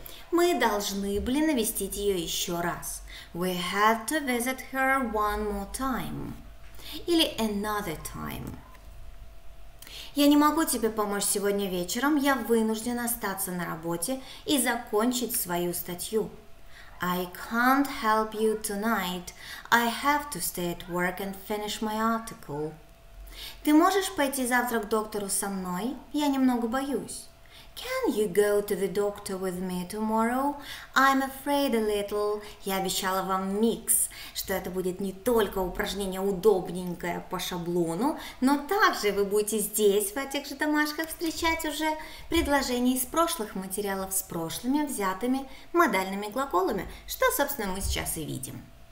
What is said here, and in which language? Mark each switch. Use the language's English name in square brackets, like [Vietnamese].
[Russian] Мы должны были навестить ее еще раз. [English] We had to visit her one more time. Или another time. [Russian] Я не могу тебе помочь сегодня вечером, я вынужден остаться на работе и закончить свою статью. [English] I can't help you tonight. I have to stay at work and finish my article. [Russian] Ты можешь пойти завтра к доктору со мной? Я немного боюсь. [English] Can you go to the doctor with me tomorrow? I'm afraid a little. [Russian] Я обещала вам микс, что это будет не только упражнение удобненькое по шаблону, но также вы будете здесь, в этих же домашках, встречать уже предложения из прошлых материалов с прошлыми взятыми модальными глаголами, что, собственно, мы сейчас и видим.